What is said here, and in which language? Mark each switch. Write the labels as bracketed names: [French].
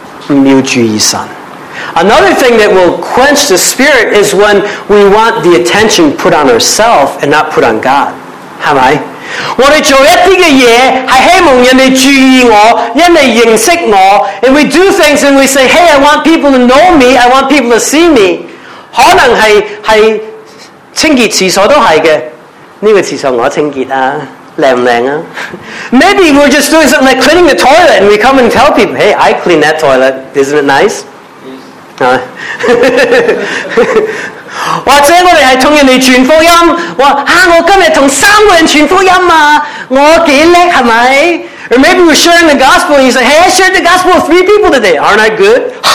[English] Another thing that will quench the spirit is when we want the attention put on ourselves and not put on God. And we do things and we say, hey, I want people to know me, I want people to see me. [Cantonese] 可能是清洁厕所都是的，这个厕所我清洁啊，靓不靓啊。 [English] Maybe we're just doing something like cleaning the toilet and we come and tell people, hey, I clean that toilet, isn't it nice? Yes. [Cantonese] 或者我们是跟人传福音，我今天跟三个人传福音啊，我多厉害，是不是？ [English] Or maybe we're sharing the gospel and you say, hey, I shared the gospel with three people today, aren't I good?